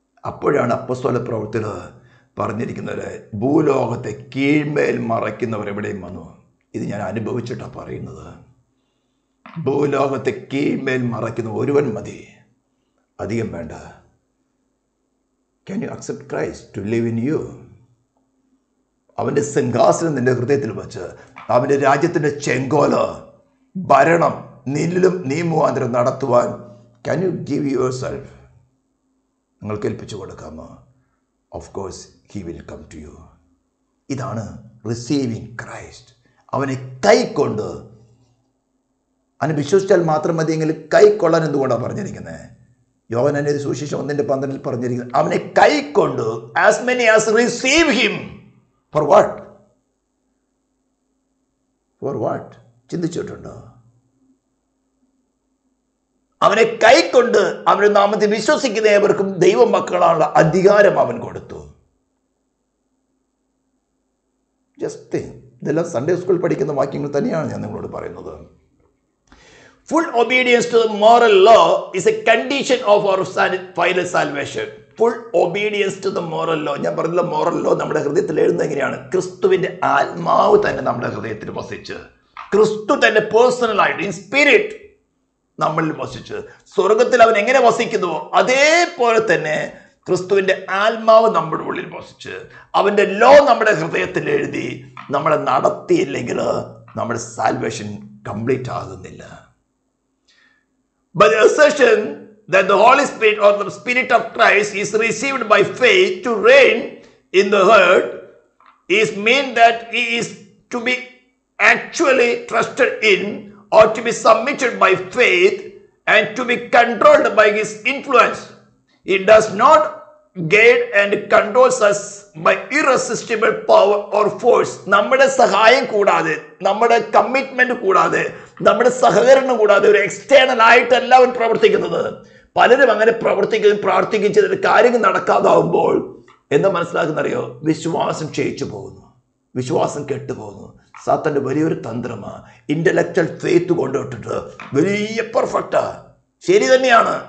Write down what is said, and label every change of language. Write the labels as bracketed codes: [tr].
[ml] അപ്പോഴാണ് അപ്പസ്തോല പ്രവൃത്തികൾ പറഞ്ഞിരിക്കുന്നത്, ഭൂലോകത്തെ കീഴ്മേൽ മറയ്ക്കുന്നവർ എവിടെയും വന്നു. ഇത് ഞാൻ അനുഭവിച്ചിട്ടാണ് പറയുന്നത്. ഭൂലോകത്തെ കീഴ്മേൽ മറയ്ക്കുന്ന ഒരുവൻ മതി, അധികം വേണ്ട. [en] Can you accept Christ to live in you? [ml] അവൻ്റെ സിംഹാസനം നിൻ്റെ ഹൃദയത്തിൽ വച്ച് അവൻ്റെ രാജ്യത്തിൻ്റെ ചെങ്കോല ഭരണം നിന്നിലും നിയമുവാന്തരം നടത്തുവാൻ [en] Can you give yourself? [ml] നിങ്ങൾക്ക് ഏൽപ്പിച്ചു കൊടുക്കാമോ? [en] Of course, He will come to you. ഇതാണ് receiving Christ. [ml] അവനെ കൈക്കൊണ്ട് അവന് വിശ്വസിച്ചാൽ മാത്രം മതിയെങ്കിലും കൈക്കൊള്ളാൻ എന്തുകൊണ്ടാണ് പറഞ്ഞിരിക്കുന്നത്? യോഹന്നാൻ സുവിശേഷം 1:12 പറഞ്ഞിരിക്കുന്നു, അവനെ കൈക്കൊണ്ട് [en] As many as receive him for what? For what? [ml] ചിന്തിച്ചിട്ടുണ്ടോ? അവനെ കൈക്കൊണ്ട് അവരുടെ നാമത്തിൽ വിശ്വസിക്കുന്ന ഏവർക്കും ദൈവ മക്കളാനുള്ള അധികാരം അവൻ കൊടുത്തു. ജസ്റ്റ് ഇതെല്ലാം സൺഡേ സ്കൂൾ പഠിക്കുന്ന വാക്യങ്ങൾ തന്നെയാണ് ഞാൻ നിങ്ങളോട് പറയുന്നത്. [en] Full obedience to the moral law is a condition of our final salvation. Full obedience to the moral law. [ml] ഞാൻ പറഞ്ഞല്ലോ, moral law നമ്മുടെ ഹൃദയത്തിൽ എഴുതുന്നത് എങ്ങനെയാണ്? ക്രിസ്തുവിൻ്റെ ആത്മാവ് തന്നെ നമ്മുടെ ഹൃദയത്തിൽ വസിച്ച്, ക്രിസ്തു തന്നെ പേഴ്സണലായിട്ട് ഇൻ സ്പിരിറ്റ് നമ്മളിൽ വസിച്ച്, സ്വർഗത്തിൽ അവൻ എങ്ങനെ വസിക്കുന്നുവോ അതേപോലെ തന്നെ ക്രിസ്തുവിൻ്റെ ആത്മാവ് നമ്മുടെ ഉള്ളിൽ വസിച്ച് അവൻ്റെ ലോ നമ്മുടെ ഹൃദയത്തിൽ എഴുതി നമ്മളെ നടത്തിയില്ലെങ്കിൽ നമ്മുടെ സാൽവേഷൻ കംപ്ലീറ്റ് ആകുന്നില്ല. [en] By the assertion that the Holy Spirit or the Spirit of Christ is received by faith to reign in the heart is mean that he is to be actually trusted in or to be submitted by faith and to be controlled by his influence. It does not guide and controls us by irresistible power or force. [ml] Nammada sahayam koodade, nammada commitment koodade, നമ്മുടെ സഹകരണം കൂടാതെ ഒരു എക്സ്റ്റേണലായിട്ടല്ല അവൻ പ്രവർത്തിക്കുന്നത്. പലരും അങ്ങനെ പ്രവർത്തിക്കുകയും പ്രാർത്ഥിക്കുകയും ചെയ്തിട്ട് കാര്യങ്ങൾ നടക്കാതാവുമ്പോൾ എന്താ മനസ്സിലാക്കുന്നറിയോ? വിശ്വാസം ക്ഷയിച്ചു പോകുന്നു. വിശ്വാസം കെട്ടുപോകുന്നു. സാത്താൻ്റെ വലിയൊരു തന്ത്രമാണ് ഇൻ്റലക്ച്വൽ ഫെയ്ത്ത് കൊണ്ടുവിട്ടിട്ട് വലിയ പെർഫെക്റ്റാണ്, ശരി തന്നെയാണ്.